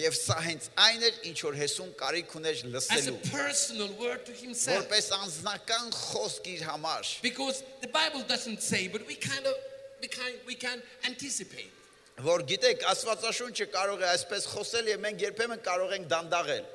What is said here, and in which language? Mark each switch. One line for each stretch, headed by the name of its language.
Armenian: Եվ սա հենց այն էր, ինչ որ Հեսուն կարիք ուներ լսելու.
English: As a personal word to himself.
Armenian: Որպես անձնական խոսք իր համար.
English: Because the Bible doesn't say, but we can anticipate.
Armenian: Որ գիտեք, Աստվածաշունչը կարող է այսպես խոսել, եւ մենք երբեմն կարող ենք դանդաղել.